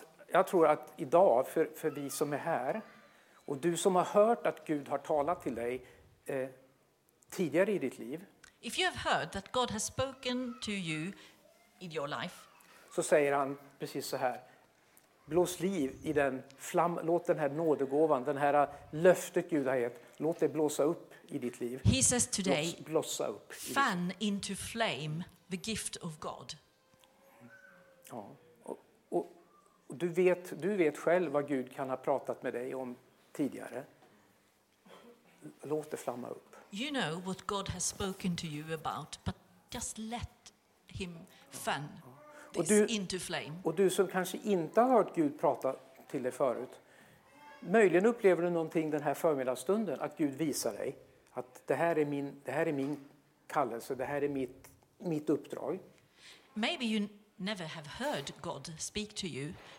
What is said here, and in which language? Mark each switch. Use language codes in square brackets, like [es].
[sv] Jag tror att idag för vi som är här, och du som har hört att Gud har talat till dig tidigare i ditt liv. [en] If you have heard that God has spoken to you in your life. [sv] Så säger han precis så här. Blås liv i den flam, låt den här nådegåvan, den här löftet Gud har gett, låt det blåsa upp i ditt liv. [en] He says today, [sv] blossa upp. [en] Fan into flame the gift of God. [sv] Ja. Och du vet själv vad Gud kan ha pratat med dig om tidigare. Låt det flamma upp. [en] You know what God has spoken to you about, but just let him fan this into flame. [sv] Och du som kanske inte har hört Gud prata till dig förut, möjligen upplever du någonting den här förmiddagsstunden, att Gud visar dig att det här är min kallelse, det här är mitt uppdrag. [en] Maybe you never have heard God speak to you.